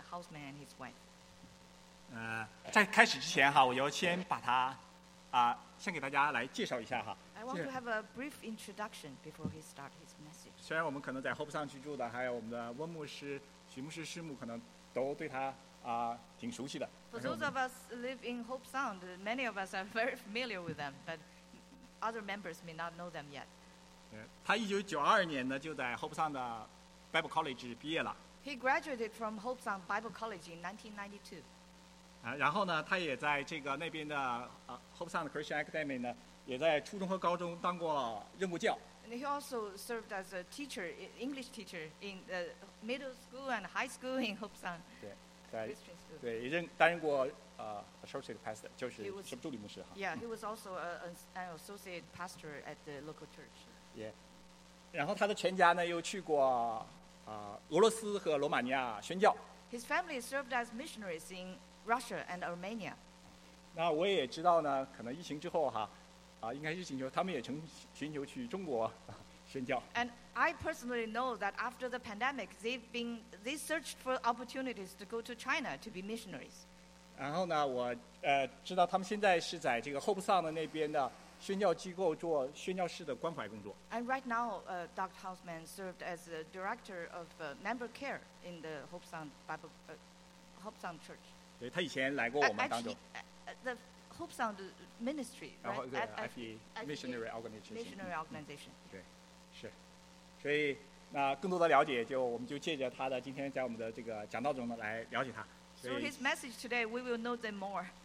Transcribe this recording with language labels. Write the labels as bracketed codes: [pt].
[en] Hausman and his wife. [zh] 在开始之前哈，我要先把他先给大家来介绍一下哈。 [en] I want to have a brief introduction before he starts his message. [zh] 虽然我们可能在 Hope 上居住的，还有我们的温牧师、许牧师、师母，可能都对他。挺熟悉的。 [en] For those of us live in Hope Sound, many of us are very familiar with them, but other members may not know them yet. [zh] 他1992年呢就在 Hope Sound 的 Bible College 毕业了。 [en] He graduated from Hope Sound Bible College in 1992. [zh] 然后呢，他也在这个那边的Hope Sound Christian Academy 呢，也在初中和高中当过任务教。 [en] And he also served as a teacher, English teacher in the middle school and high school in Hope Sound. [zh] 对，担任过associate pastor， 就是什么助理牧师哈。 [en] Yeah, he was also an associate pastor at the local church. [zh] Yeah， 然后他的全家呢又去过俄罗斯和罗马尼亚宣教。 [en] His family served as missionaries in Russia and Armenia. [zh] 那我也知道呢，可能疫情之后哈，应该是请求他们也曾寻求去中国。 [en] And I personally know that after the pandemic, they searched for opportunities to go to China to be missionaries. [zh] 然后呢，我知道他们现在是在这个 Hope Sound 的那边的宣教机构做宣教士的关怀工作。 [en] And right now, Dr. Hausman served as the director of member care in the Hope Sound Bible, Hope Sound Church. [zh] 对，他以前来过我们当中。 [en] The Hope Sound Ministry, right? FE Missionary Organization.、嗯、 [zh] 对。是，所以那更多的了解就我们就借着他的今天在我们的这个讲道中呢来了解他。 [en] So his message today, we will know them more.